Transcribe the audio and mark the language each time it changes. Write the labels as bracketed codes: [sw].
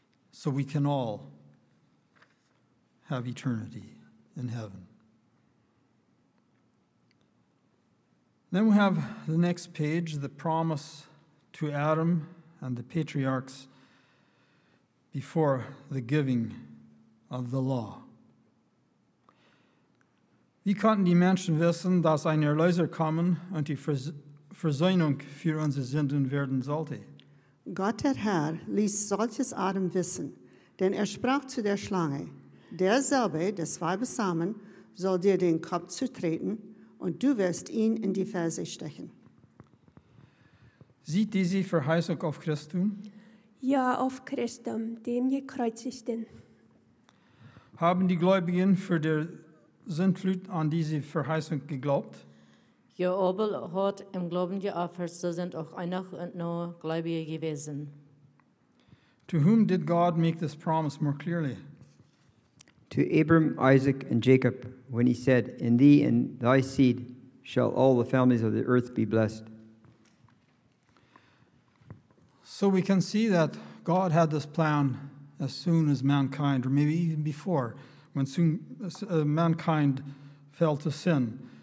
[en] So we can all have eternity in heaven. Then we have the next page, the promise to Adam and the patriarchs before the giving of the law. [de] Wie konnten die Menschen wissen, dass ein Erlöser kommen und die Versöhnung für unsere Sünden werden sollte? Gott der Herr ließ solches Adam wissen, denn sprach zu der Schlange, derselbe, des Weibes Samen, soll dir den Kopf zertreten, und du wirst ihn in die Ferse stechen. Sieht diese Verheißung auf Christum? Ja, auf Christum, dem Gekreuzigten. Haben die Gläubigen für der Sintflut an diese Verheißung geglaubt? Ja, Abel hat im Glauben geopfert, so sind auch Enoch und Noah Gläubige gewesen. [en] To whom did God make this promise more clearly? To Abram, Isaac, and Jacob, when he said, in thee and thy seed shall all the families of the earth be blessed. So we can see that God had this plan as soon as mankind, or maybe even before, when mankind fell to sin.